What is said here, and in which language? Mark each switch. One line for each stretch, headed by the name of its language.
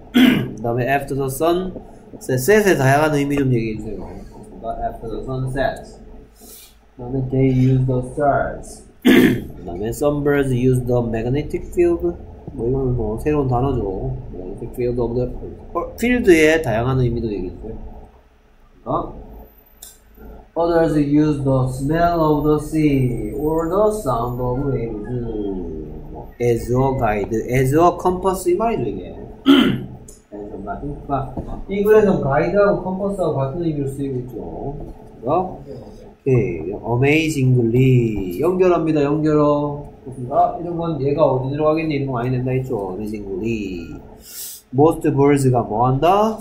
Korean: 그 다음에
English: after the sun set
Korean: 의 다양한 의미 좀 얘기해주세요.
English: After the sun set.
Korean: 그 다음에
English: they use the stars.
Korean: 그 다음에
English: some birds use the magnetic field.
Korean: 뭐 이거는 뭐 새로운 단어죠. 이렇게 필드 없는 필드의 다양한 의미도 얘기했어요. 그러니까
English: others use the smell of the sea or the sound of waves as a guide, as a compass
Korean: 이 말이죠 이게. 그러니까 이 글에서 가이드하고 컴퍼스하고 같은 의미로 쓰이고 있죠. 그러니까 오케이 amazingly 연결합니다. 연결어. 아, 이런 건 얘가 어디 들어가겠니? 이런 거 많이 된다 했죠. Amazingly.
English: Most birds
Korean: 가 뭐 한다?